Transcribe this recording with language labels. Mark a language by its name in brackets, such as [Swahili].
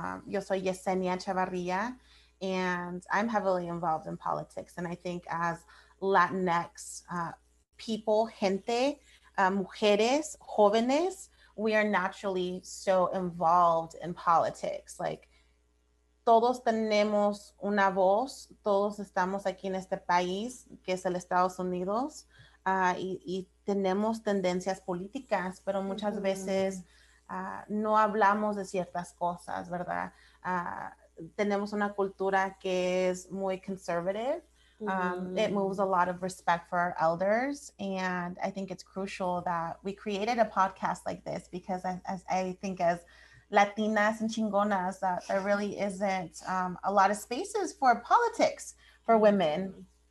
[Spanish] Yo soy [English] Yesenia Chavarria, and I'm heavily involved in politics. And I think as Latinx people, [Spanish] gente, mujeres, jóvenes, [English] we are naturally so involved in politics. [Spanish] Like, todos tenemos una voz, todos estamos aquí en este país, que es el Estados Unidos, y tenemos tendencias políticas, pero muchas veces no hablamos de ciertas cosas, ¿verdad? Tenemos una cultura que es muy [English] conservative. It moves a lot of respect for our elders, and I think it's crucial that we created a podcast like this, because I think as Latinas and chingonas, that there really isn't a lot of spaces for politics for women.